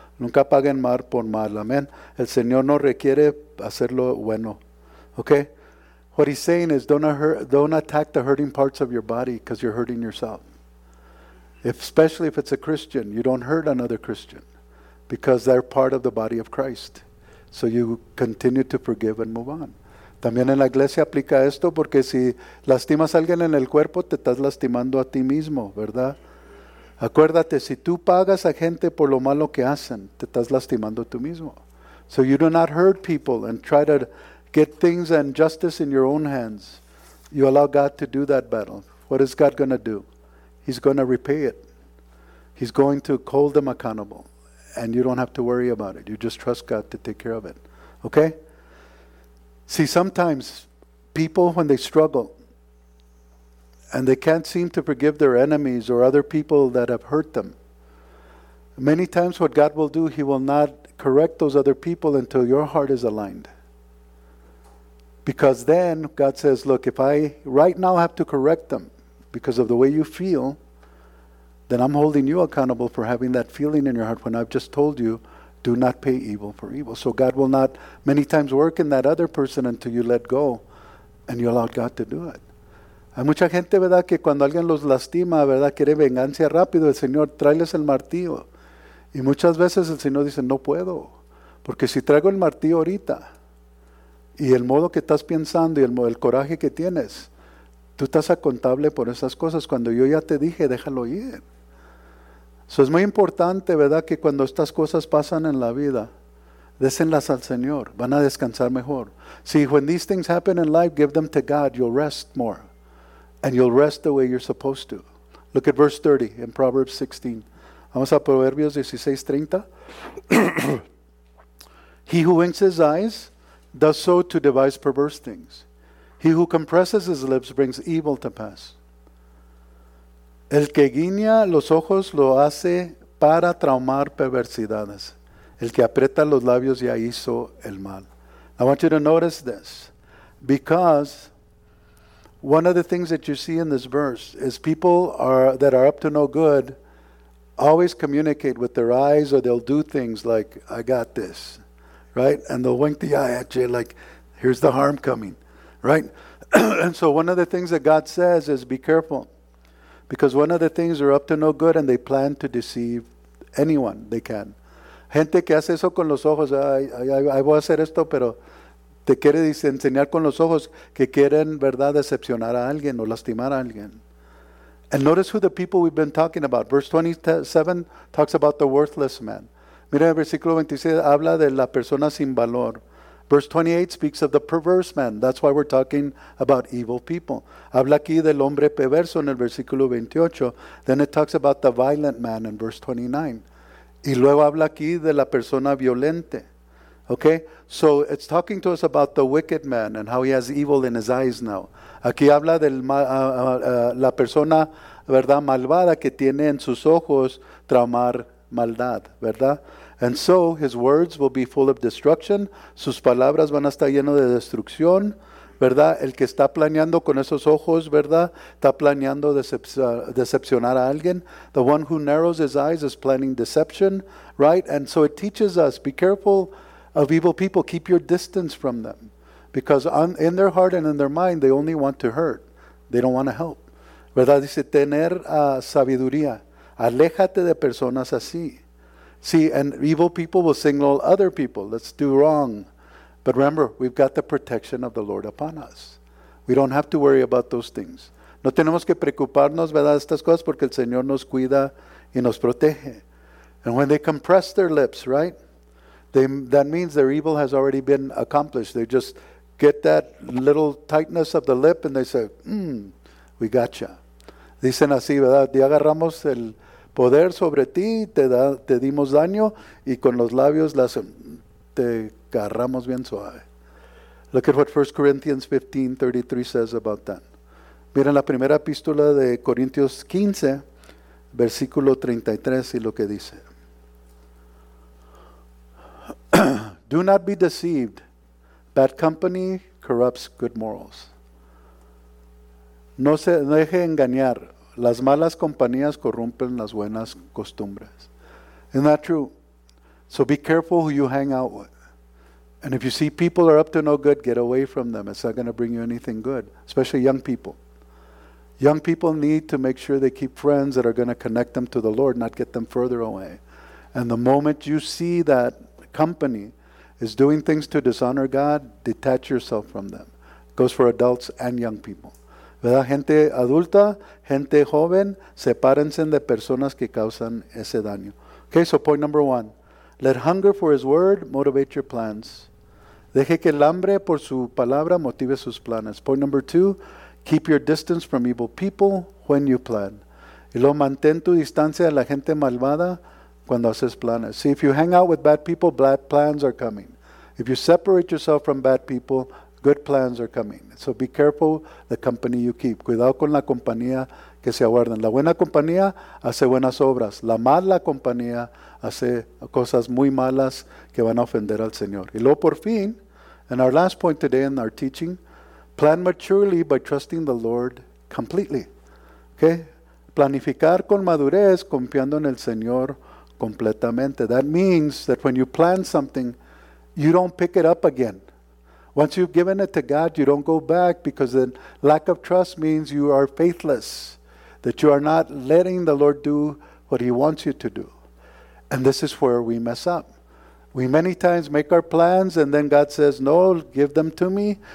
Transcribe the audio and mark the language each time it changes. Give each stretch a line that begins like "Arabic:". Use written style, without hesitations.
Spanish: Nunca paguen mal por mal. Amen. El Señor no requiere hacerlo bueno. Okay?
English: What he's saying is don't attack the hurting parts of your body because you're hurting yourself. Especially if it's a Christian, you don't hurt another Christian because they're part of the body of Christ. So you continue to forgive and move on.
Spanish: También en la iglesia aplica esto porque si lastimas a alguien en el cuerpo, te estás lastimando a ti mismo, ¿verdad? Acuérdate, si tú pagas a gente por lo malo que hacen, te estás lastimando tú mismo.
English: So you do not hurt people and try to get things and justice in your own hands. You allow God to do that battle. What is God going to do? He's going to repay it. He's going to hold them accountable. And you don't have to worry about it. You just trust God to take care of it. Okay? See, sometimes people, when they struggle and they can't seem to forgive their enemies or other people that have hurt them, many times what God will do, he will not correct those other people until your heart is aligned. Because then God says, look, if I right now have to correct them because of the way you feel, then I'm holding you accountable for having that feeling in your heart when I've just told you, do not pay evil for evil. So God will not many times work in that other person until you let go and you allow God to do it.
Spanish: Hay mucha gente, ¿verdad?, que cuando alguien los lastima, ¿verdad?, quiere venganza rápido, el Señor, tráeles el martillo. Y muchas veces el Señor dice, no puedo, porque si traigo el martillo ahorita y el modo que estás pensando y el coraje que tienes, tú estás acontable por esas cosas cuando yo ya te dije, déjalo ir. Eso es muy importante, ¿verdad?, que cuando estas cosas pasan en la vida, désenlas al Señor, van a descansar mejor.
English: See, when these things happen in life, give them to God, you'll rest more. And you'll rest the way you're supposed to. Look at verse 30 in Proverbs 16.
Spanish: Vamos a Proverbios 16:30.
English: He who winks his eyes does so to devise perverse things. He who compresses his lips brings evil to pass.
Spanish: El que guiña los ojos lo hace para traumar perversidades. El que aprieta los labios ya hizo el mal.
English: I want you to notice this. Because one of the things that you see in this verse is people that are up to no good always communicate with their eyes, or they'll do things like, I got this, right? And they'll wink the eye at you like, here's the harm coming, right? And so one of the things that God says is be careful, because one of the things are up to no good and they plan to deceive anyone they can.
Spanish: Gente que hace eso con los ojos, I voy a hacer esto, pero te quiere enseñar con los ojos que quieren, verdad, decepcionar a alguien o lastimar a alguien.
English: And notice who the people we've been talking about. Verse 27 talks about the worthless man.
Spanish: Mira el versículo 26, habla de la persona sin valor.
English: Verse 28 speaks of the perverse man. That's why we're talking about evil people.
Spanish: Habla aquí del hombre perverso en el versículo 28.
English: Then it talks about the violent man in verse 29.
Spanish: Y luego habla aquí de la persona violente.
English: Okay? So it's talking to us about the wicked man and how he has evil in his eyes now.
Spanish: Aquí habla de la persona, ¿verdad?, malvada que tiene en sus ojos traumar maldad, ¿verdad?
English: And so his words will be full of destruction.
Spanish: Sus palabras van a estar llenas de destrucción, ¿verdad? El que está planeando con esos ojos, ¿verdad?, está planeando decepcionar a alguien.
English: The one who narrows his eyes is planning deception, right? And so it teaches us, be careful of evil people. Keep your distance from them. Because in their heart and in their mind, they only want to hurt. They don't want to help.
Spanish: ¿Verdad? Dice, tener sabiduría. Aléjate de personas así.
English: See, and evil people will signal other people. Let's do wrong. But remember, we've got the protection of the Lord upon us. We don't have to worry about those things.
Spanish: No tenemos que preocuparnos, ¿verdad?, de estas cosas porque el Señor nos cuida y nos protege.
English: And when they compress their lips, right? That means their evil has already been accomplished. They just get that little tightness of the lip and they say, we gotcha.
Spanish: Dicen así, ¿verdad? Ya agarramos el poder sobre ti, te dimos daño y con los labios te agarramos bien suave.
English: Look at what 1 Corinthians 15:33 says about that.
Spanish: Miren la primera epístola de Corintios 15, versículo 33 y lo que dice.
English: Do not be deceived. Bad company corrupts good morals.
Spanish: No se deje engañar. Las malas compañías corrompen las buenas costumbres.
English: Isn't that true? So be careful who you hang out with. And if you see people are up to no good, get away from them. It's not going to bring you anything good, especially young people. Young people need to make sure they keep friends that are going to connect them to the Lord, not get them further away. And the moment you see that company is doing things to dishonor God, detach yourself from them. It goes for adults and young people.
Spanish: ¿Verdad? Gente adulta, gente joven, sepárense de personas que causan ese daño.
English: Okay, so point number one. Let hunger for his word motivate your plans.
Spanish: Deje que el hambre por su palabra motive sus planes.
English: Point number two. Keep your distance from evil people when you plan.
Spanish: Y luego mantén tu distancia de la gente malvada cuando haces planes.
English: See, if you hang out with bad people, bad plans are coming. If you separate yourself from bad people, good plans are coming. So be careful the company you keep.
Spanish: Cuidado con la compañía que se aguardan. La buena compañía hace buenas obras. La mala compañía hace cosas muy malas que van a ofender al Señor. Y luego por fin,
English: in our last point today in our teaching, plan maturely by trusting the Lord completely. Okay?
Spanish: Planificar con madurez confiando en el Señor completamente.
English: That means that when you plan something, you don't pick it up again. Once you've given it to God, you don't go back, because then lack of trust means you are faithless, that you are not letting the Lord do what he wants you to do. And this is where we mess up. We many times make our plans and then God says, no, give them to me.